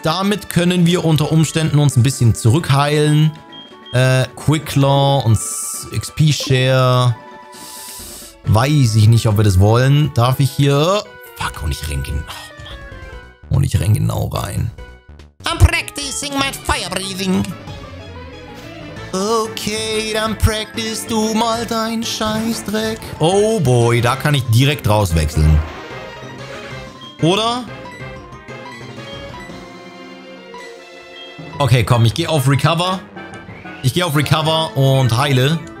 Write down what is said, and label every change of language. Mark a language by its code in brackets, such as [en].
[de] Damit können wir unter Umständen uns ein bisschen zurückheilen. Quicklaw und XP Share. Weiß ich nicht, ob wir das wollen. Darf ich hier... Fuck, und ich renke ihn. Und ich renne genau rein. [en] I'm practicing my fire breathing. [de] Okay, dann practice du mal deinen Scheißdreck. Oh boy, da kann ich direkt rauswechseln. Oder? Okay, komm, ich gehe auf Recover. Ich gehe auf Recover und heile.